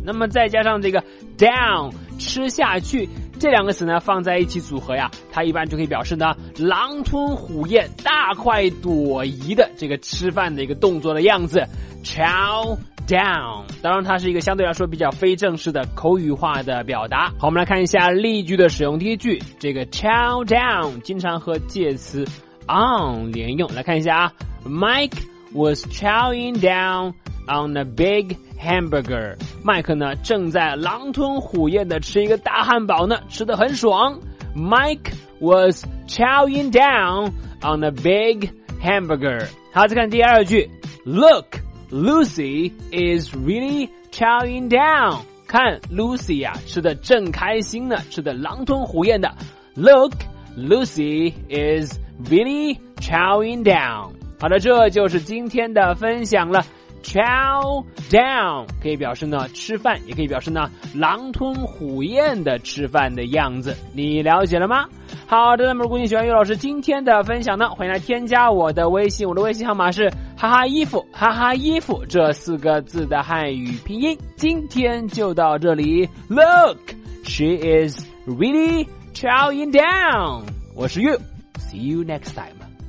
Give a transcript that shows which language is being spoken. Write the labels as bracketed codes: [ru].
[zh] 那么再加上这个 down 吃下去，这两个词呢放在一起组合呀，它一般就可以表示呢狼吞虎咽、大快朵颐的这个吃饭的一个动作的样子。 Chow down， 当然它是一个相对来说比较非正式的口语化的表达。好，我们来看一下例句的使用。第一句，这个 chow down 经常和介词 on 连用。来看一下啊， [en] Mike was chowing down on a big hamburger。 [zh] 麦克呢正在狼吞虎咽的吃一个大汉堡呢，吃得很爽。 [en] Mike was chowing down on a big hamburger。 [zh] 好，再看第二句， [en] LookLucy is really chowing down。 [zh] 看 Lucy 呀，吃得正开心呢，吃得狼吞虎咽的。 [en] Look, Lucy is really chowing down。 [zh] 好的，这就是今天的分享了。Chow down 可以表示呢吃饭，也可以表示呢狼吞虎咽的吃饭的样子，你了解了吗？好的，那么如果你喜欢于老师今天的分享呢，欢迎来添加我的微信，我的微信号码是哈哈衣服，哈哈衣服这四个字的汉语拼音。今天就到这里， [en] Look, she is really chowing down。 [zh] 我是 [en] You, See you next time。